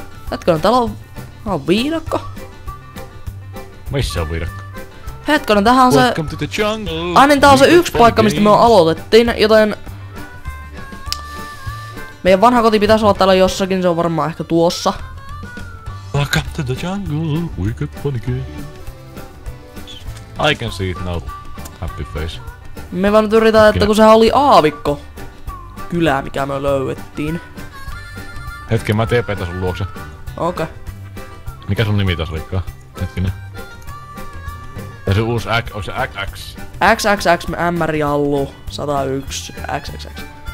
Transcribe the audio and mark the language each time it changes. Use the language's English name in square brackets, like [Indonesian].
[Finnish] Hetkinen, täällä on... on viidakko? Missä on viidakko? Hetkonen, tähän on [English] Welcome [Finnish] se... [English] to the jungle! [Finnish] Niin, tää on se yksi paikka, mistä me aloitettiin, joten... Meidän vanha koti pitäisi olla täällä jossakin, se on varmaan ehkä tuossa. [English] Welcome to the jungle, wicked funny game. I can see it now, happy face. [Finnish] Me vaan nyt yritetään, että kun sehän oli aavikko... ...kylää, mikä me löydettiin. Hetken, mä TP tässä sun luokse. Okei. Okay. Mikä sun nimi tässä olikaan? Hetkinen. Ja se uusi X, onko se XX? XXX, MR Jallu, 101, XXX.